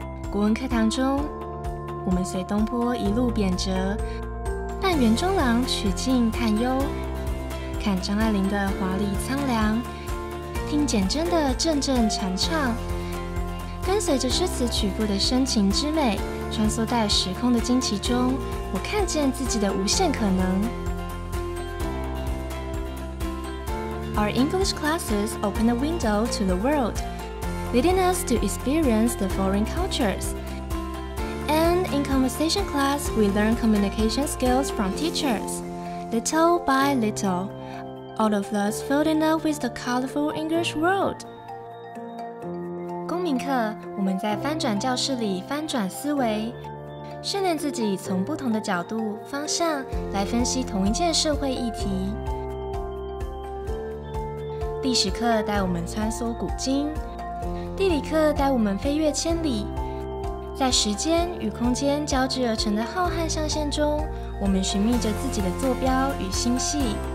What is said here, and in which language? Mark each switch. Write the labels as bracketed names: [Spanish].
[Chinese] 国文课堂中，我们随东坡一路贬谪，扮园中郎曲径探幽，看张爱玲的华丽苍凉，听简真的阵阵禅唱，跟随着诗词曲赋的深情之美，穿梭在时空的惊奇中，我看见自己的无限可能。 [English] Our English classes open a window to the world, leading us to experience the foreign cultures. And in conversation class, we learn communication skills from teachers. Little by little, all of us filling up with the colorful English world. [Chinese] 公民课，我们在翻转教室里翻转思维，训练自己从不同的角度、方向来分析同一件社会议题。历史课带我们穿梭古今，地理课带我们飞越千里，在时间与空间交织而成的浩瀚象限中，我们寻觅着自己的坐标与星系。